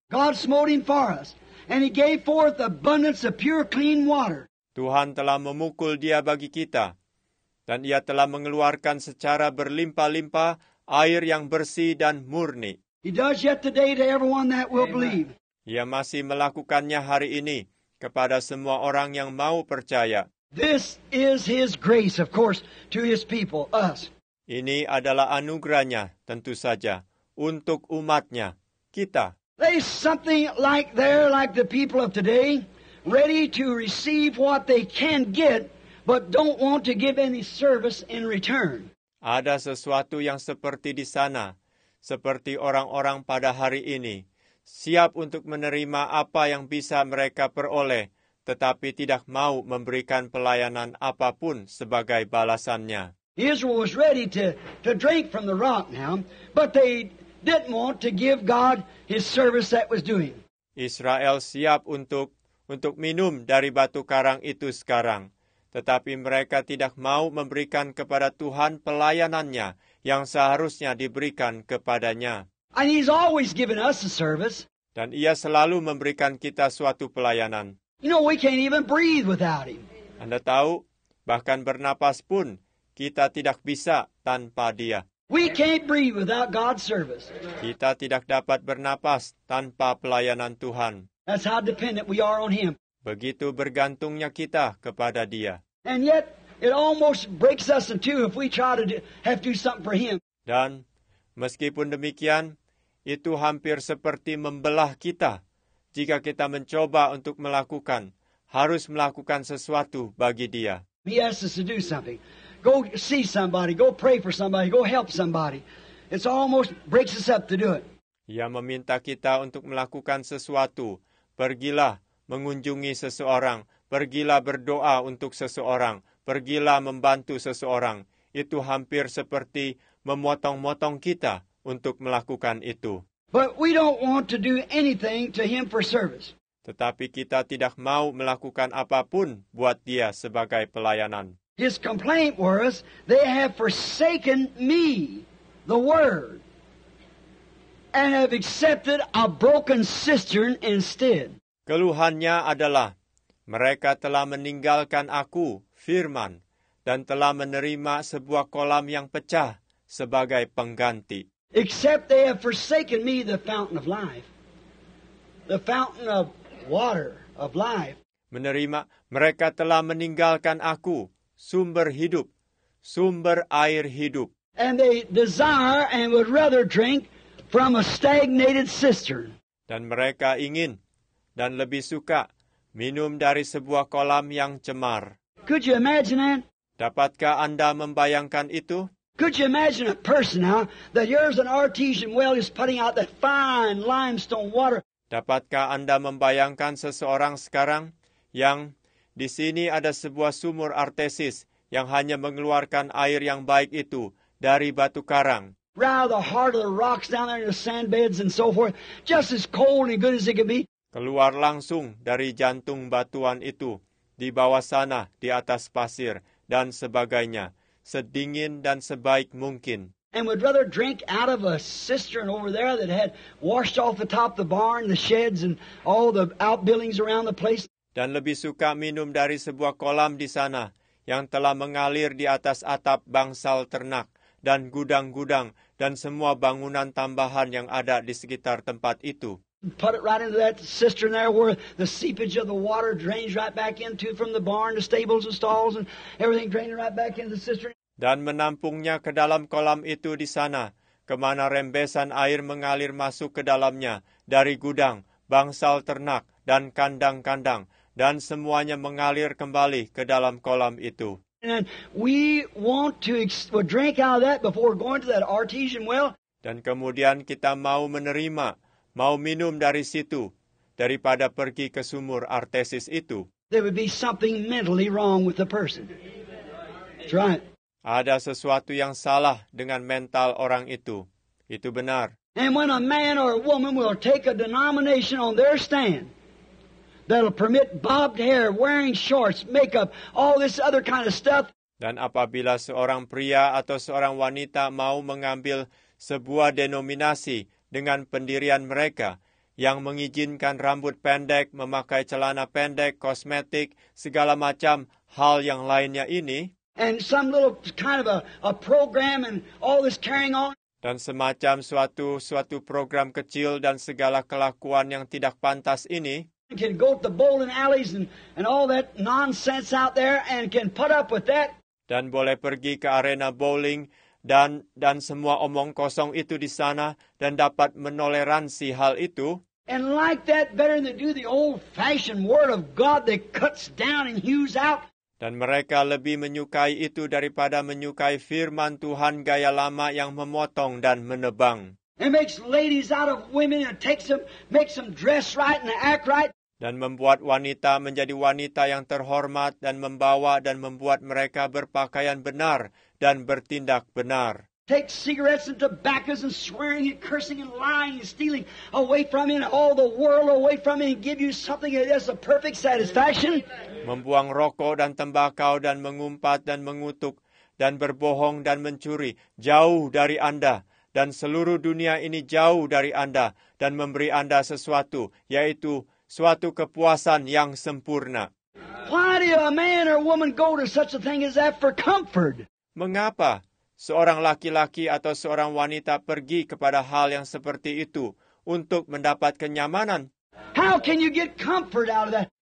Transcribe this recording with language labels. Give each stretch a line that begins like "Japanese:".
English: God smote him for us. And he gave forth abundance of pure clean water.
Indonesian: Tuhan telah memukul dia bagi kita. Dan ia telah mengeluarkan secara berlimpah-limpah air yang bersih dan murni.
English: He does yet today to everyone that will believe.
Indonesian: Ia masih melakukannya hari ini kepada semua orang yang mau percaya.
English: This is his grace, of course, to his people, us.
Indonesian: Ini adalah anugerahnya, tentu saja, untuk umatnya, kita.
English: There's something like there, like the people of today, ready to receive what they can get, but don't want to give any service in return.
Indonesian: Ada sesuatu yang seperti di sana, seperti orang-orang pada hari ini, siap untuk menerima apa yang bisa mereka peroleh, tetapi tidak mau memberikan pelayanan apapun sebagai balasannya.
English: Israel was ready to drink from the rock now, but they didn't want to give God his service that was doing.
Indonesian: Israel siap untuk minum dari batu karang itu sekarang, tetapi mereka tidak mau memberikan kepada Tuhan pelayanannya yang seharusnya diberikan kepadanya.
English: And he's always given us a service.
Indonesian: Dan ia selalu memberikan kita suatu pelayanan.
English: You know, we can't even breathe without him.
Indonesian: Anda tahu, bahkan bernapas pun kita tidak bisa tanpa dia.
English: We can't breathe without God's service.
Indonesian: Kita tidak dapat bernapas tanpa pelayanan Tuhan.
English: That's how dependent we are on him.
Indonesian: Begitu bergantungnya kita kepada dia.
English: And yet, it almost breaks us in two if we try to have to do something for him.
Indonesian: Dan meskipun demikian, itu hampir seperti membelah kita jika kita mencoba untuk melakukan sesuatu bagi dia.
English: He asks us to do something. Go see somebody, go pray for somebody, go help somebody. It almost breaks us up to do it.
Indonesian: Ia meminta kita untuk melakukan sesuatu. Pergilah mengunjungi seseorang, pergilah berdoa untuk seseorang, pergilah membantu seseorang. Itu hampir seperti memotong-motong kita untuk melakukan itu.
English: But we don't want to do anything to him for service.
Indonesian: Tetapi kita tidak mau melakukan apapun buat dia sebagai pelayanan.
English: His complaint was, they have forsaken me, the word, and have accepted a broken cistern instead.
Indonesian: Keluhannya adalah, mereka telah meninggalkan aku, firman, dan telah menerima sebuah kolam yang pecah sebagai pengganti.
English: Except they have forsaken me, the fountain of life, the fountain of water of life.
Indonesian: Menerima, mereka telah meninggalkan aku, sumber hidup, sumber air hidup.
English: And they desire and would rather drink from a stagnated cistern.
Indonesian: Dan mereka ingin dan lebih suka minum dari sebuah kolam yang cemar.
English: Could you imagine that?
Indonesian: Dapatkah Anda membayangkan itu?
English: Could you imagine a person now that yours an artesian well is putting out that fine limestone water?
Indonesian: Dapatkah Anda membayangkan seseorang sekarang yang di sini ada sebuah sumur artesis yang hanya mengeluarkan air yang baik itu dari batu karang?
English: Rather the heart of the rocks down there in the sand beds and so forth, just as cold and good as it can be.
Indonesian: Keluar langsung dari jantung batuan itu, di bawah sana, di atas pasir, dan sebagainya, sedingin dan sebaik mungkin.
English: And would rather drink out of a cistern over there that had washed off the top of the barn, the sheds, and all the outbuildings around the place.
Indonesian: Dan lebih suka minum dari sebuah kolam di sana, yang telah mengalir di atas atap bangsal ternak, dan gudang-gudang, dan semua bangunan tambahan yang ada di sekitar tempat itu.
English: Put it right into that cistern there where the seepage of the water drains right back into from the barn, the stables, the stalls, and everything draining right back into the cistern.
Indonesian: Dan menampungnya ke dalam kolam itu di sana, kemana rembesan air mengalir masuk ke dalamnya, dari gudang, bangsal ternak, dan kandang-kandang, dan semuanya mengalir kembali ke dalam kolam itu.
English: And we want to drink out of that before going to that artesian well.
Indonesian: Dan kemudian kita mau menerima, mau minum dari situ, daripada pergi ke sumur artesis itu.
English: There would be something mentally wrong with the person. That's right.
Indonesian: Ada sesuatu yang salah dengan mental orang itu. Itu benar.
English: And when a man or a woman will take a denomination on their stand that'll permit bobbed hair, wearing shorts, makeup, all this other kind of stuff.
Indonesian: Dan apabila seorang pria atau seorang wanita mau mengambil sebuah denominasi dengan pendirian mereka yang mengizinkan rambut pendek, memakai celana pendek, kosmetik, segala macam hal yang lainnya ini,
English: and some little kind of a program and all this carrying on,
Indonesian: Dan semacam suatu program kecil dan segala kelakuan yang tidak pantas ini.
English: Can go to the bowling alleys and all that nonsense out there and can put up with that.
Indonesian: Dan boleh pergi ke arena bowling dan semua omong kosong itu di sana dan dapat menoleransi hal itu.
English: And like that better than do the old-fashioned word of God that cuts down and hews out.
Indonesian: Dan mereka lebih menyukai itu daripada menyukai firman Tuhan gaya lama yang memotong dan menebang.
English: It makes ladies out of women and makes them dress right and act right.
Indonesian: Dan membuat wanita menjadi wanita yang terhormat dan membawa dan membuat mereka berpakaian benar dan bertindak benar.
English: Take cigarettes and tobaccos and swearing and cursing and lying and stealing away from you and all the world away from you and give you something that is a perfect satisfaction.
Indonesian: Membuang rokok dan tembakau dan mengumpat dan mengutuk dan berbohong dan mencuri jauh dari Anda. Dan seluruh dunia ini jauh dari Anda dan memberi Anda sesuatu, yaitu suatu kepuasan yang sempurna.
English: Why do a man or woman go to such a thing as that for comfort?
Indonesian: Mengapa seorang laki-laki atau seorang wanita pergi kepada hal yang seperti itu untuk mendapat kenyamanan?
English: How can you get comfort out of that?